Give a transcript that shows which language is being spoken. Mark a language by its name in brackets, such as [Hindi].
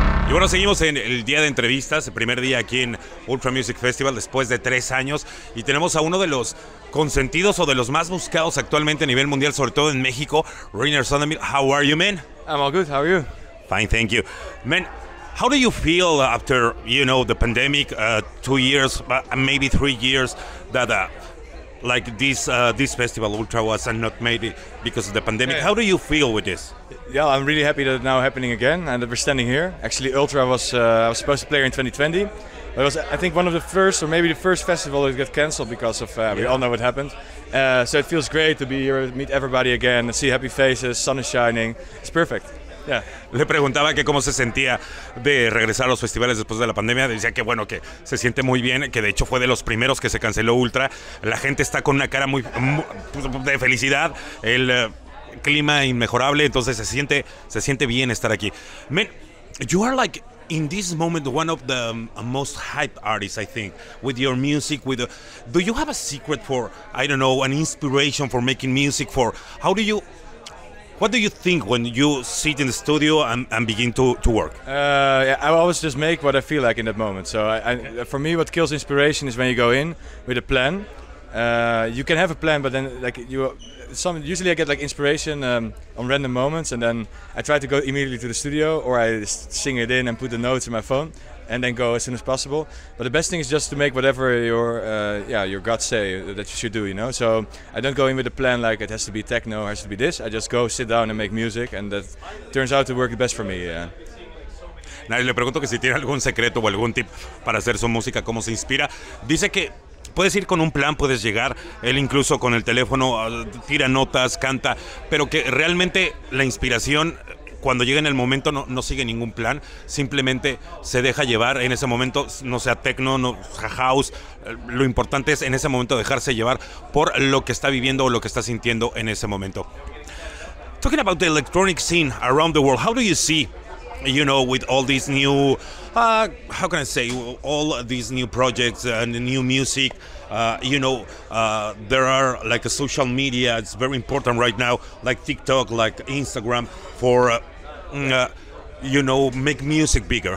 [Spanish] bueno, seguimos en el día de entrevistas, el primer día aquí en Ultra Music Festival después de 3 años, y tenemos a uno de los consentidos o de los más buscados actualmente a nivel mundial, sobre todo en México, Reinier Zonneveld. [English] How are you, man? I'm all good. How are you? Fine, thank you. Man, how do you feel after, you know, the pandemic, 2 years, maybe 3 years, that like this festival Ultra was not made because of the pandemic? Yeah. How do you feel with this? Yeah, I'm really happy that it's now happening again and that we're standing here. Actually, Ultra was I was supposed to play here in 2020. But it was, I think, one of the first or maybe the first festival that got cancelled because of we all know what happened. So it feels great to be here, meet everybody again, see happy faces, sun is shining. It's perfect. Yeah. [Spanish] Le preguntaba que cómo se sentía de regresar a los festivales después de la pandemia. Decía que bueno, que se siente muy bien, que de hecho fue de los primeros que se canceló Ultra. La gente está con una cara muy, muy de felicidad. El clima inmejorable, entonces se siente bien estar aquí. [English] Man, you are like in this moment one of the most hype artists, I think, with your music. With do you have a secret for, I don't know, an inspiration for making music? For how do you, what do you think when you sit in the studio and begin to work? I always just make what I feel like in that moment. So for me, what kills inspiration is when you go in with a plan. You can have a plan, but then like usually I get like inspiration on random moments, and then I try to go immediately to the studio, or I sing it in and put the notes in my phone and then go as soon as possible. But the best thing is just to make whatever your gut say that you should do, you know. So I don't go in with a plan like it has to be techno or it has to be this. I just go sit down and make music, and that turns out to work the best for me. Yeah. Now, [Spanish] le pregunto que si tiene algún secreto o algún tip para hacer su música, cómo se inspira. Dice que puedes ir con un plan, puedes llegar, él incluso con el teléfono tira notas, canta, pero que realmente la inspiración cuando llega en el momento no sigue ningún plan, simplemente se deja llevar en ese momento, no sea techno, no house, lo importante es en ese momento dejarse llevar por lo que está viviendo o lo que está sintiendo en ese momento. [English] Talking about the electronic scene around the world, how do you see, you know, with all these new, how can I say, all these new projects and new music, you know, there are like a social media, it's very important right now, like TikTok, like Instagram, for, you know, make music bigger.